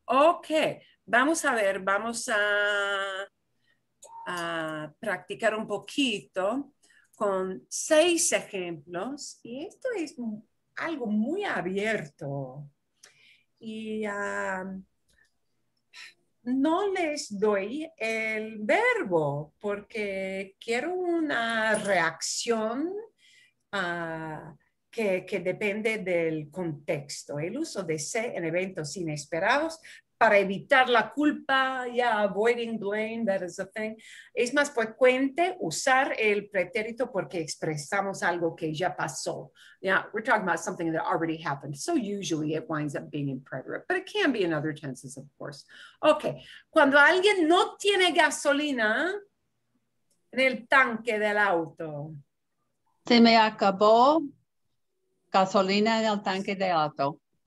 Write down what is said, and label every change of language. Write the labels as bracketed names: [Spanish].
[Spanish] Ok, vamos a practicar un poquito con 6 ejemplos, y esto es algo muy abierto y no les doy el verbo porque quiero una reacción que depende del contexto. El uso de se en eventos inesperados para evitar la culpa, [English] yeah, avoiding blame, that is a thing. [Spanish] Es más frecuente usar el pretérito porque expresamos algo que ya pasó. [English] Yeah, we're talking about something that already happened. So usually it winds up being in preterite, but it can be in other tenses, of course. [Spanish] Okay, cuando alguien no tiene gasolina en el tanque del auto. Se me acabó gasolina en el tanque del auto.